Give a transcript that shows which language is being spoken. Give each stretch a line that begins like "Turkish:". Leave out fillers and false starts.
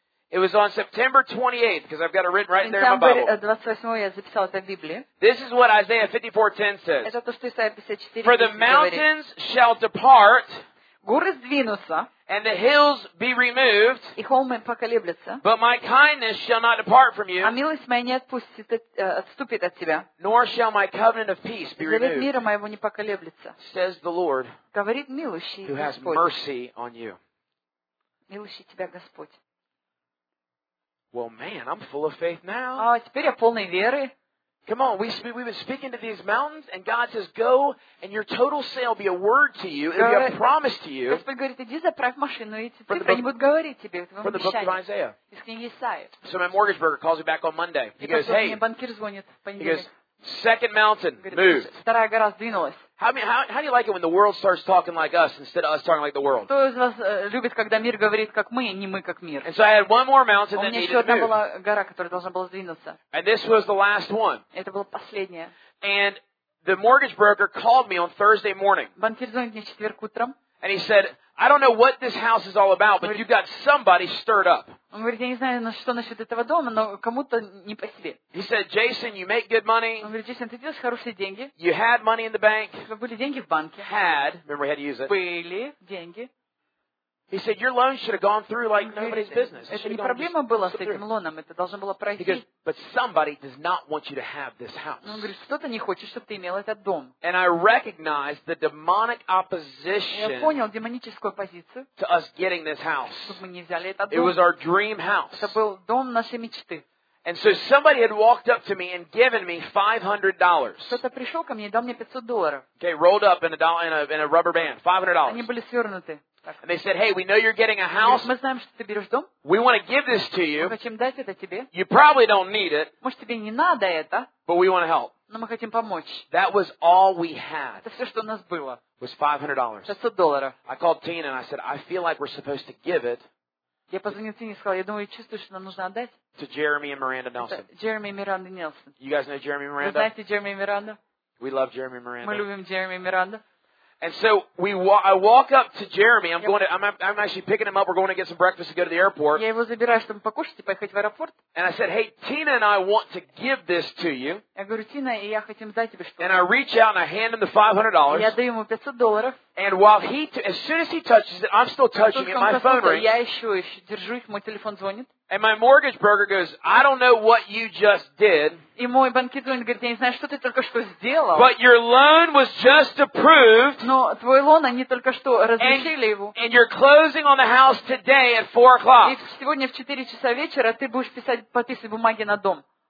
English: It was on September 28th, because I've got it written right there in my Bible.
Russian: 28-го я записал это в Библии.
English: This is what Isaiah 54:10 says.
Russian: Это то, что Исаия 54:10.
English: For the mountains shall depart.
Russian: Горы сдвинутся.
English: And the hills be removed.
Russian: И холмы поколеблются.
English: But my kindness shall not depart from you.
Russian: А милость моя не отпустит, отступит от тебя.
English: Nor shall my covenant of peace be removed.
Russian: Завет мира моего не поколеблется.
English: Says the Lord.
Russian: Говорит милующий Господь.
English: Who has mercy on you.
Russian: Милующий тебя Господь.
English: Well, man, I'm full of faith now.
Russian: Теперь я полный веры.
English: Come on, we've been speaking to these mountains, and God says, go, and your total sale be a word to you, it'll be a promise to you.
Russian: Господь говорит, иди заправь машину, и эти цифры, они будут говорить тебе.
English: From the book of Isaiah.
Russian: Из книги Исаии.
English: So my mortgage broker calls me back on Monday. He goes, hey.
Russian: Мне банкир звонит в понедельник.
English: He goes, second mountain moved.
Russian: Вторая гора сдвинулась.
English: How do you like it when the world starts talking like us instead of us talking like the world?
Russian: Кто из вас любит, когда мир говорит как мы, не мы как мир?
English: And so I had one more mountain that needed to move.
Russian: У меня еще одна была гора, которая должна была сдвинуться.
English: And this was the last one.
Russian: Это была последняя.
English: And the mortgage broker called me on Thursday morning.
Russian: Банкир звонит мне в четверг утром.
English: And he said, I don't know what this house is all about, but you've got somebody stirred up.
Russian: Он говорит, я не знаю, что насчет этого дома, но кому-то не по себе.
English: He said, Jason, you make good money.
Russian: Он говорит, Джейсон, ты делаешь хорошие деньги.
English: You had money in the bank.
Russian: У тебя были деньги в банке.
English: Had. Remember, we had to use it.
Russian: Были деньги.
English: He said, your loan should have gone through like nobody's business.
Russian: Это не проблема была с этим лоном, это должно было пройти.
English: He goes, but somebody does not want you to have this house.
Russian: Он говорит, кто-то не хочет, чтобы ты имел этот дом.
English: And I recognize the demonic opposition.
Russian: Я понял демоническую оппозицию.
English: To us getting this house.
Russian: Чтобы мы не взяли этот дом.
English: It was our dream house.
Russian: Это был дом нашей мечты.
English: And so somebody had walked up to me and given me $500.
Russian: Кто-то пришел ко мне и дал мне $500.
English: Okay, rolled up in a dollar, in a rubber band, $500.
Russian: Они были свернуты.
English: And they said, hey, we know you're getting a house.
Russian: Мы знаем, что ты берешь дом.
English: We want to give this to you.
Russian: Мы хотим дать это тебе.
English: You probably don't need it.
Russian: Может, тебе не надо это.
English: But we want to help.
Russian: Но мы хотим помочь.
English: That was all we had.
Russian: Это все, что у нас было.
English: Was $500.
Russian: $500.
English: I called Tina and I said, I feel like we're supposed to give it.
Russian: Я позвонил Тине и сказал, я думаю, я чувствую, что нам нужно отдать.
English: To Jeremy and Miranda Nelson. Jeremy and Miranda Nelson. You guys know Jeremy and Miranda?
Russian: Вы знаете Jeremy and Miranda?
English: We love Jeremy and Miranda.
Russian: Мы любим Jeremy and Miranda.
English: And so I walk up to Jeremy. I'm actually picking him up. We're going to get some breakfast to go to the airport.
Russian: Я его забираю, чтобы покушать и поехать в аэропорт.
English: And I said, "Hey, Tina and I want to give this to you."
Russian: Я говорю, Тина, и я хотим дать тебе что-то.
English: And I reach out and I hand him the $500.
Russian: Я даю ему $500.
English: And while he, as soon as he touches it, I'm still touching it. My phone rings.
Russian: Я еще держу их, мой телефон звонит.
English: And my mortgage broker goes, "I don't know what you just did."
Russian: И мой банкир говорит, я не знаю, что ты только что сделал.
English: But your loan was just approved.
Russian: Но твой лон, они только что разрешили его.
English: And you're closing on the house today at 4:00.
Russian: И сегодня в 4:00 вечера ты будешь подписывать бумаги на дом.